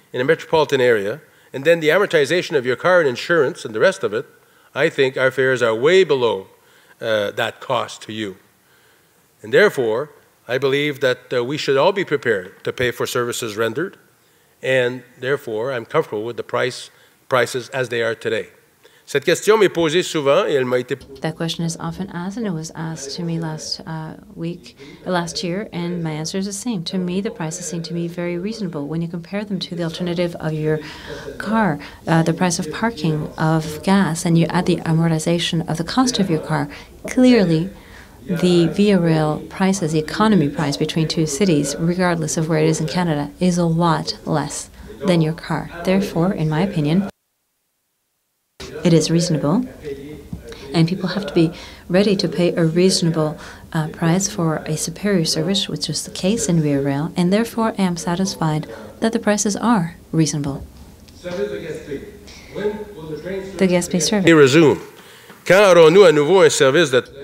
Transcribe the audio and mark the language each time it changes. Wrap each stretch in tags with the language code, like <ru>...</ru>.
<en>in a metropolitan area, and then the amortization of your car and insurance and the rest of it, I think our fares are way below that cost to you. And therefore, I believe that we should all be prepared to pay for services rendered, and therefore, I'm comfortable with the prices as they are today.</en> <fr>Cette question m'est posée souvent et elle m'a été...</fr> <en>That question is often asked, and it was asked to me last year, and my answer is the same. To me, the prices seem to be very reasonable when you compare them to the alternative of your car, the price of parking, of gas, and you add the amortization of the cost of your car. Clearly, the Via Rail prices, the economy price between two cities, regardless of where it is in Canada, is a lot less than your car. Therefore, in my opinion, it is reasonable, and people have to be ready to pay a reasonable price for a superior service, which is the case in Via Rail, and therefore I am satisfied that the prices are reasonable. The Gaspé service. Resume.</en> <fr>Quand aurons-nous à nouveau un service de...</fr>